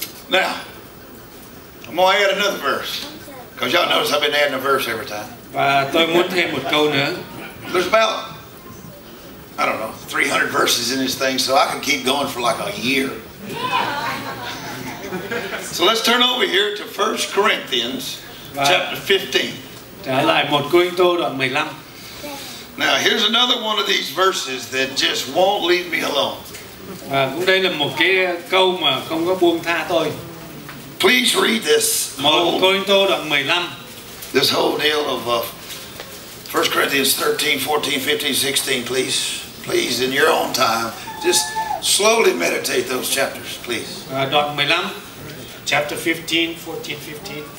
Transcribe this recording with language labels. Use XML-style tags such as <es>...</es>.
<en>Now, I'm going to add another verse, because y'all notice I've been adding a verse every time.</en> <vi>Và tôi muốn thêm một câu nữa.</vi> <en>There's about, I don't know, 300 verses in this thing, so I can keep going for like a year. So let's turn over here to 1 Corinthians chapter 15.</en> <vi>Trở lại 1 Corinto đoạn 15.</vi> <en>Now, here's another one of these verses that just won't leave me alone.</en> <vi>À, cũng đây là một cái câu mà không có buông tha tôi.</vi> <en>Please read this.</en> <vi>Corinto đoạn 15.</vi> <en>This whole deal of 1 Corinthians 13, 14, 15, 16, please. Please, in your own time, just slowly meditate those chapters, please.</en> <vi>Đoạn 15, chapter 15, 14, 15.</vi>